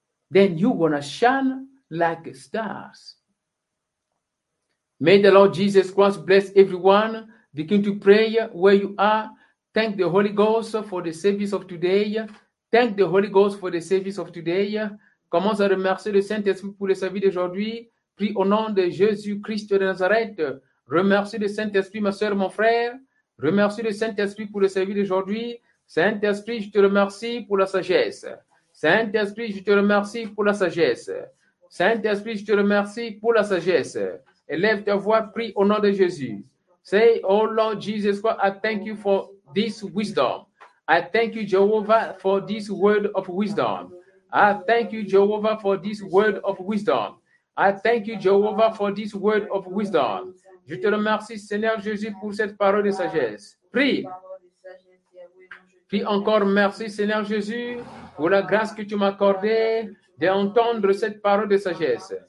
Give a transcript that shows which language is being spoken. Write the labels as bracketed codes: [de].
[en] Then you're going to shine like stars. May the Lord Jesus Christ bless everyone. Begin to pray where you are. Thank the Holy Ghost for the service of today. Thank the Holy Ghost for the service of today. [fr] Commence à remercier le Saint-Esprit pour le service d'aujourd'hui. Prie au nom de Jésus-Christ de Nazareth. Remercie le Saint-Esprit, ma soeur, mon frère. Remercie le Saint-Esprit pour le service d'aujourd'hui. Saint-Esprit, je te remercie pour la sagesse. Saint-Esprit, je te remercie pour la sagesse. Saint-Esprit, je te remercie pour la sagesse. Élève ta voix, prie au nom de Jésus. [en] Say, oh Lord Jesus Christ, I thank you for this wisdom. I thank you, Jehovah, for this word of wisdom. I thank you, Jehovah, for this word of wisdom. I thank you, Jehovah, for this word of wisdom. [fr] Je te remercie, Seigneur Jésus, pour cette parole de sagesse. Prie. Puis encore, merci, Seigneur Jésus, pour la grâce que tu m'as accordée d'entendre cette parole de sagesse.